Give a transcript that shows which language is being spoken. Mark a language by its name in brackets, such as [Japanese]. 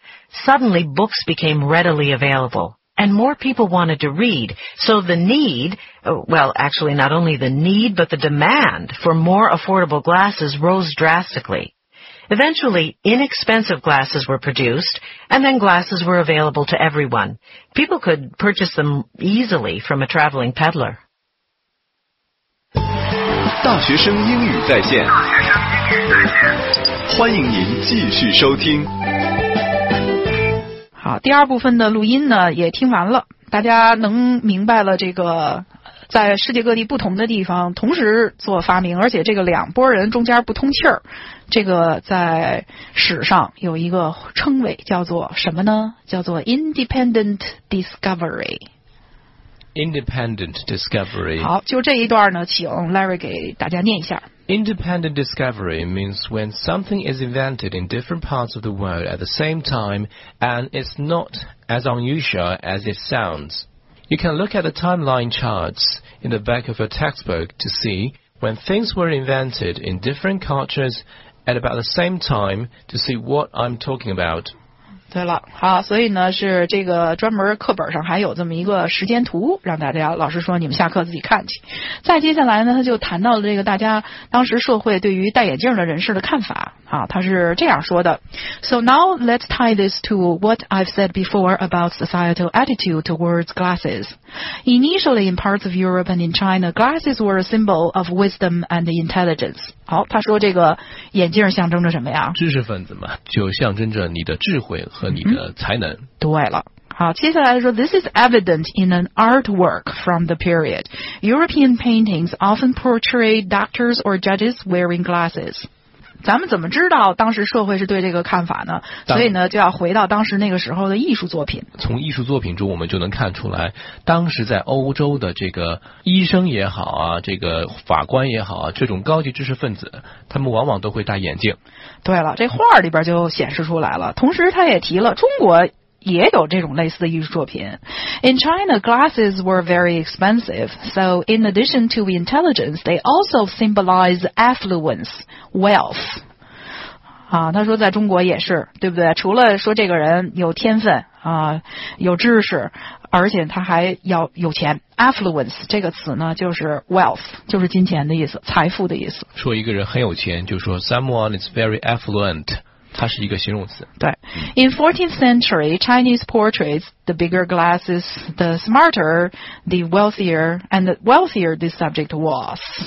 [English] Suddenly books became readily available. And more people wanted to read, so the need, well, actually not only the need, but the demand for more affordable glasses rose drastically. Eventually, inexpensive glasses were produced, and then glasses were available to everyone. People could purchase them easily from a traveling peddler. [Chinese] 大学生英语在线，欢迎您继续收听。好，第二部分的录音呢，也听完了，大家能明白了这个在世界各地不同的地方同时做发明，而且这个两拨人中间不通气儿，这个在史上有一个称谓叫做什么呢？叫做 Independent Discovery。 [English] Independent Discovery. [Chinese] 好，就这一段呢，请 Larry 给大家念一下。 [English] Independent discovery means when something is invented in different parts of the world at the same time and it's not as unusual as it sounds. You can look at the timeline charts in the back of your textbook to see when things were invented in different cultures at about the same time to see what I'm talking about. [Chinese] 对了，好，所以呢是这个专门课本上还有这么一个时间图，让大家老师说你们下课自己看去。再接下来呢，他就谈到了这个大家当时社会对于戴眼镜的人士的看法。啊，他是这样说的 [English] ：So now let's tie this to what I've said before about societal attitude towards glasses. Initially, in parts of Europe and in China, glasses were a symbol of wisdom and intelligence. [Chinese] 好，他说这个眼镜象征着什么呀？知识分子嘛，就象征着你的智慧和你的才能。嗯、对了。好，接下来说 [English] This is evident in an artwork from the period. European paintings often portray doctors or judges wearing glasses. [Chinese] 咱们怎么知道当时社会是对这个看法呢？所以呢就要回到当时那个时候的艺术作品。从艺术作品中我们就能看出来，当时在欧洲的这个医生也好啊，这个法官也好啊，这种高级知识分子，他们往往都会戴眼镜。对了，这画里边就显示出来了。同时他也提了中国也有这种类似的艺术作品。 [English] In China, glasses were very expensive, so in addition to intelligence, they also symbolize affluence, wealth. [Chinese] 啊，他说在中国也是，对不对？除了说这个人有天分啊，有知识，而且他还要有钱。 Affluence 这个词呢，就是 wealth， 就是金钱的意思，财富的意思。说一个人很有钱，就说 [English] someone is very affluent。 [Chinese] 它是一个形容词。 [English] 对 ，In 14th century Chinese portraits, the bigger glasses, the smarter, the wealthier, and the wealthier the subject was.